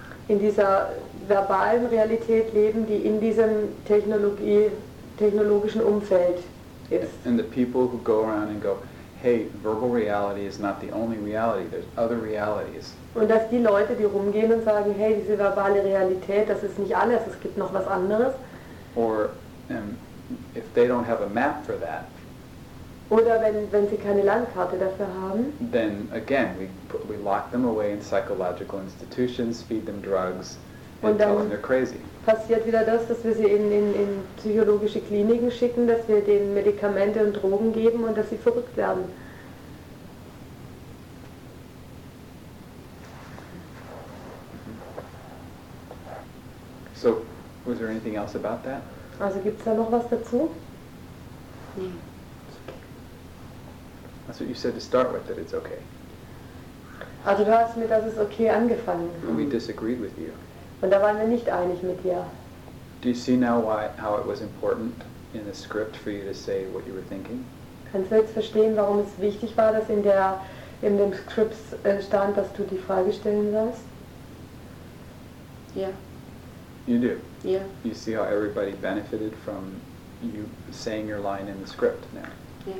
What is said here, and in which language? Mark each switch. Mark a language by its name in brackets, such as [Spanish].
[German] in dieser verbalen Realität leben, die in diesem technologischen Umfeld ist. [English] And the people who go around and go, hey, verbal reality is not the only reality, there's other realities. [German] Und dass die Leute, die rumgehen und sagen, hey, diese verbale Realität, das ist nicht alles, es gibt noch was anderes. [English] Or if they don't have a map for that. [German] Oder wenn sie keine Landkarte dafür haben. [English] Then again, we lock them away in psychological institutions, feed them drugs, and tell them they're crazy. [German] Und dann passiert wieder das, dass wir sie in psychologische Kliniken schicken, dass wir denen Medikamente und Drogen geben und dass sie verrückt werden. [English] So, was there anything else about that? [German] Also gibt's da noch was dazu? [English] That's what you said to start with, that it's okay. [German] Also du hast mit, dass es okay angefangen. [English] And we disagreed with you. [German] Und da waren wir nicht einig mit dir. [English] Do you see now why, how it was important in the script for you to say what you were thinking? [German] Kannst du jetzt verstehen, warum es wichtig war, dass in dem Script stand, dass du die Frage stellen sollst? [English] Ja. Yeah. You do? Yeah. You see how everybody benefited from you saying your line in the script now?